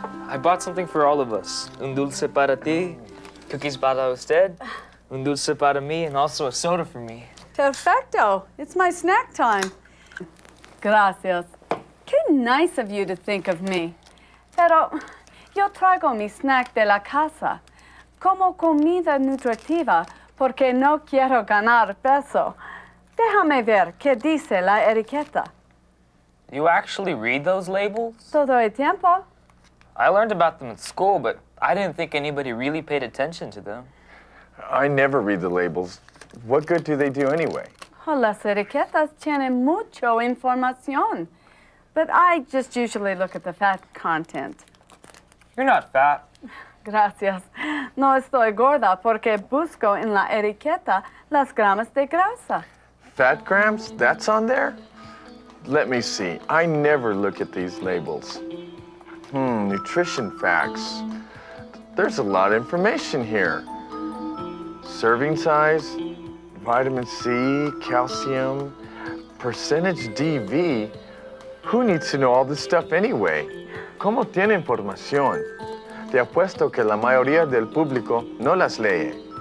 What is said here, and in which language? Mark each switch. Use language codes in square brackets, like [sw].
[en] I bought something for all of us. [es] Un dulce para ti, [en] cookies [es] para usted, un dulce para mí, [en] and also a soda for me. [es] Perfecto. [en] It's my snack time. [es] Gracias. Qué [en] nice of you to think of me. [es] Pero yo traigo mi snack de la casa como comida nutritiva porque no quiero ganar peso. Déjame ver qué dice la etiqueta. [en] You actually read those labels? [es] Todo el tiempo. [en] I learned about them at school, but I didn't think anybody really paid attention to them. I never read the labels. What good do they do anyway? [es] Oh, las etiquetas tienen mucho información. [en] But I just usually look at the fat content. You're not fat. [es] Gracias. No estoy gorda porque busco en la etiqueta las gramas de grasa. [en] Fat grams? That's on there? Let me see. I never look at these labels. Nutrition facts. There's a lot of information here. Serving size, vitamin C, calcium, percentage DV. Who needs to know all this stuff anyway? [es] ¿Cómo tiene información? Te apuesto que la mayoría del público no las lee.